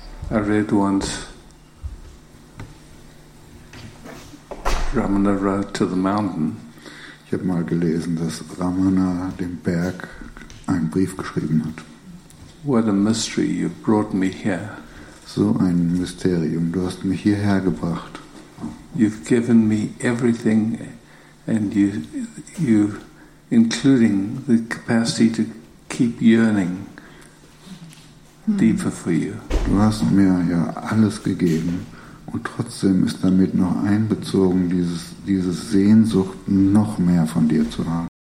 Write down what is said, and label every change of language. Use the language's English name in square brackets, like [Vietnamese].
[English] I read once, Ramana wrote to the mountain. [German] Ich habe mal gelesen, dass Ramana dem Berg einen Brief geschrieben hat. [English] What a mystery, you brought me here. [German] So ein Mysterium, du hast mich hierher gebracht. [English] You've given me everything and you including the capacity to keep yearning. Deeper for you. [German] Du hast mir ja alles gegeben und trotzdem ist damit noch einbezogen, diese Sehnsucht noch mehr von dir zu haben.